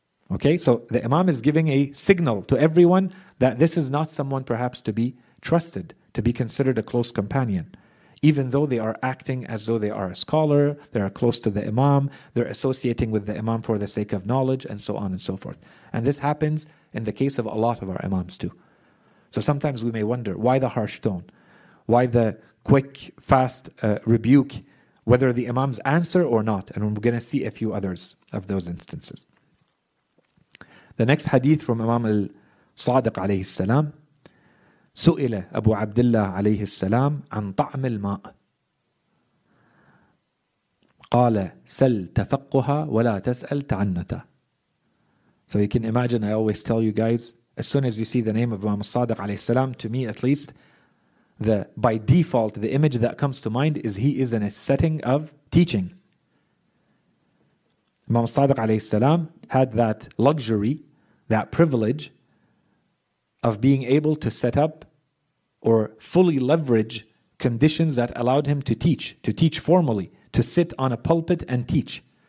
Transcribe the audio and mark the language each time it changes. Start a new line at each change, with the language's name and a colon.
English: Okay, so the Imam is giving a signal to everyone that this is not someone perhaps to be trusted, to be considered a close companion, even though they are acting as though they are a scholar, they are close to the Imam, they're associating with the Imam for the sake of knowledge, and so on and so forth. And this happens in the case of a lot of our Imams too. So sometimes we may wonder, why the harsh tone? Why the quick, fast rebuke, whether the Imam's answer or not? And we're going to see a few others of those instances. The next hadith from Imam al-Sadiq alayhi salam,
Arabic: سئل أبو عبد الله عليه السلام عن طعم الماء قال سل تفقها ولا تسأل تعنتا.
English: So you can imagine, I always tell you guys, as soon as you see the name of Imam al-Sadiq alayhi salam, to me at least, the by default, the image that comes to mind is he is in a setting of teaching. Imam al-Sadiq alayhi salam had that luxury, that privilege of being able to set up or fully leverage conditions that allowed him to teach formally, to sit on a pulpit and teach.